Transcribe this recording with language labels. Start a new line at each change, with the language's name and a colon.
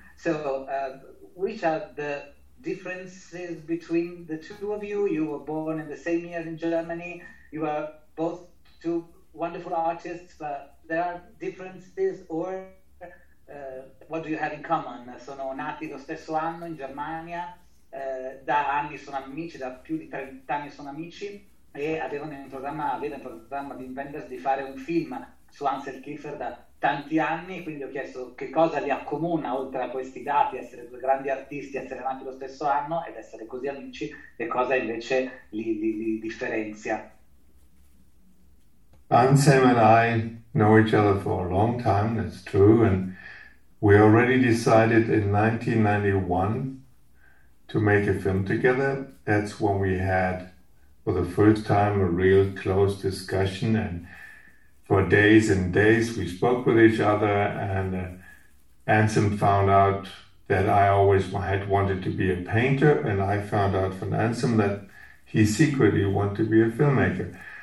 English: So which are the differences between the two of you? You were born in the same year in Germany. You are both two wonderful artists, but there are differences, or what do you have in common?
Italian: Sono nati lo stesso anno in Germania, da anni sono amici, da più di 30 anni sono amici, e avevano in programma di Wenders di fare un film su Anselm Kiefer da tanti anni, quindi ho chiesto che cosa li accomuna oltre a questi dati, essere due grandi artisti, essere nati lo stesso anno ed essere così amici, e cosa invece li differenzia.
English: Anselm and I know each other for a long time, that's true, and we already decided in 1991 to make a film together. That's when we had for the first time a real close discussion, and for days and days we spoke with each other, and Anselm found out that I always had wanted to be a painter, and I found out from Anselm that he secretly wanted to be a filmmaker.